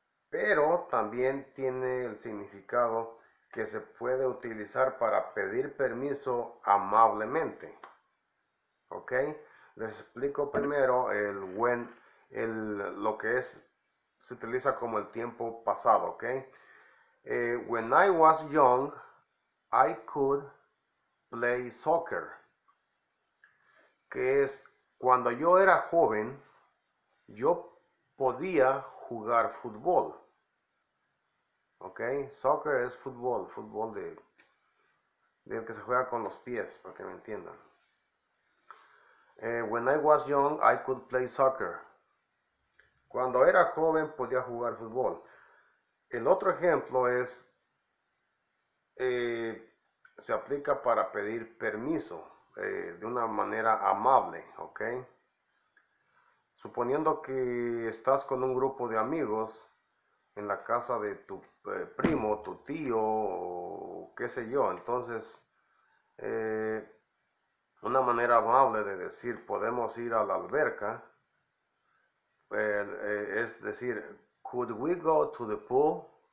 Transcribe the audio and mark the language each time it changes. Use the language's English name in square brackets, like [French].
[Spanish] Pero también tiene el significado que se puede utilizar para pedir permiso amablemente. ¿Ok? Les explico primero el when, lo que es, se utiliza como el tiempo pasado, ¿ok? When I was young, I could play soccer. Que es, cuando yo era joven, yo podía jugar fútbol. ¿Ok? Soccer es fútbol, fútbol de el que se juega con los pies, para que me entiendan. When I was young, I could play soccer. Cuando era joven, podía jugar fútbol. El otro ejemplo es, se aplica para pedir permiso de una manera amable, ¿ok? Suponiendo que estás con un grupo de amigos en la casa de tu primo, tu tío, o qué sé yo, entonces, una manera amable de decir, podemos ir a la alberca, es decir, [English] could we go to the pool?